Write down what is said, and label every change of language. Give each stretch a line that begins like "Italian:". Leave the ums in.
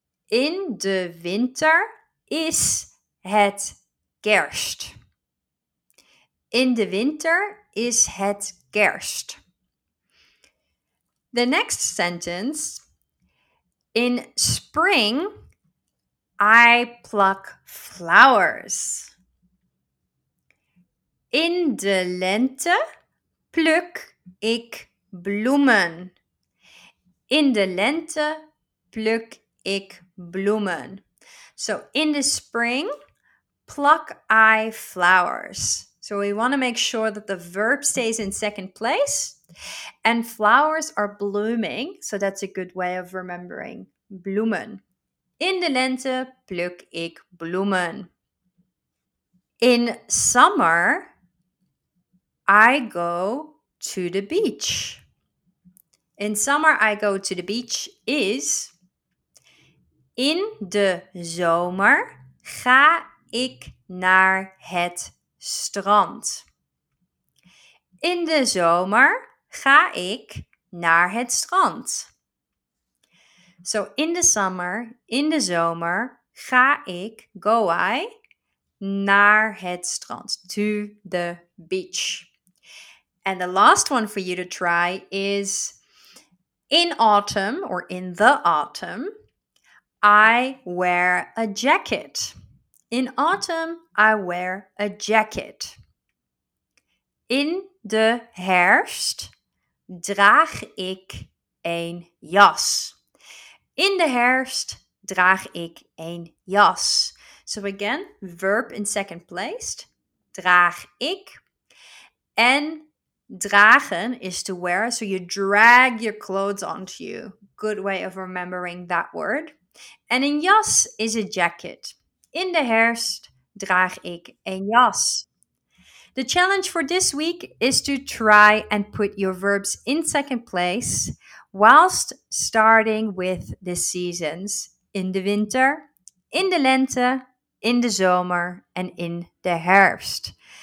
English: In the winter
Dutch: is het kerst. In the winter is het kerst.
English: The next sentence In spring, I pluck flowers.
Dutch: In de lente pluk ik bloemen. In de lente pluk ik bloemen.
English: So in the spring pluck I flowers. So we want to make sure that the verb stays in second place and flowers are blooming, so that's a good way of remembering bloemen.
Dutch: In de lente pluk ik bloemen.
English: In summer, I go to the beach. In summer, I go to the beach is.
Dutch: In de zomer ga ik naar het strand. In de zomer ga ik naar het strand.
English: So in the summer, in the zomer,
Dutch: ga ik,
English: go I,
Dutch: naar het strand.
English: To the beach. And the last one for you to try is in autumn or in the autumn, I wear a jacket. In autumn, I wear a jacket.
Dutch: In de herfst draag ik een jas.
English: In the
Dutch: herfst draag ik een jas.
English: So again, verb in second place.
Dutch: Draag ik. En dragen is
English: to wear. So you drag your clothes onto you. Good way of remembering that word. And een jas is a jacket. In the
Dutch: herfst draag ik een jas.
English: The challenge for this week is to try and put your verbs in second place whilst starting with the seasons in the winter, in the lente, in the zomer, and in the herfst.